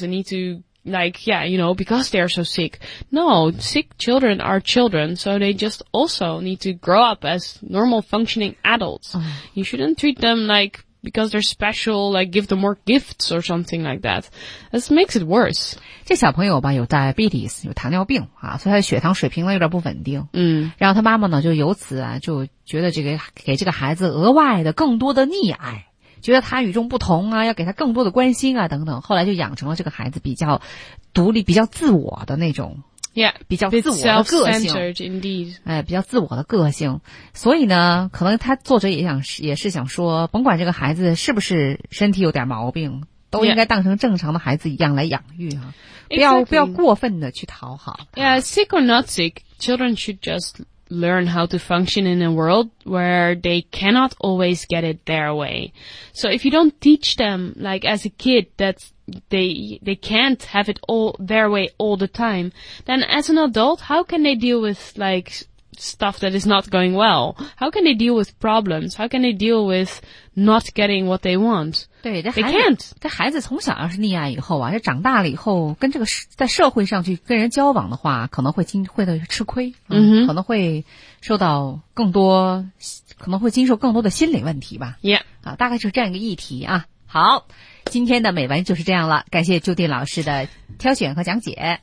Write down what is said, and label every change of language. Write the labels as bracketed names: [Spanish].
[English] They need to like, yeah, you know, because they are so sick. No, sick children are children. So they just also need to grow up as normal functioning adults. You shouldn't treat them like because they're special, like give them more gifts or something like that. This makes it worse. [Chinese] 这小朋友吧有 diabetes, 有糖尿病啊，所以他的血糖水平呢有点不稳定。嗯，然后他妈妈呢就由此啊就觉得这个给这个孩子额外的更多的溺爱，觉得他与众不同啊，要给他更多的关心啊等等，后来就养成了这个孩子比较独立比较自我的那种。 [English] Yeah, [Chinese] 比较自我的个性 [English] indeed. [Chinese] 哎，比较自我的个性，所以呢，可能他作者也是想说，甭管这个孩子是不是身体有点毛病，都应该当成正常的孩子一样来养育啊， [English] yeah. [Chinese] 不要过分的去讨好。 [English] Yeah, sick or not sick, children should just learn how to function in a world where they cannot always get it their way. So if you don't teach them, like as a kid, that's... They can't have it all their way all the time. Then as an adult, how can they deal with like stuff that is not going well. How can they deal with problems? How can they deal with not getting what they want? [Chinese] 对，这 [English] 孩子，they can't. [Chinese] 这孩子从小要是溺爱以后啊，这长大了以后，跟这个在社会上去跟人交往的话，可能会经会的吃亏，嗯哼，可能会受到更多，可能会经受更多的心理问题吧。 [English] Yeah. [Chinese] 啊，大概就是这样一个议题啊。好，今天的美文就是这样了，感谢就地老师的挑选和讲解。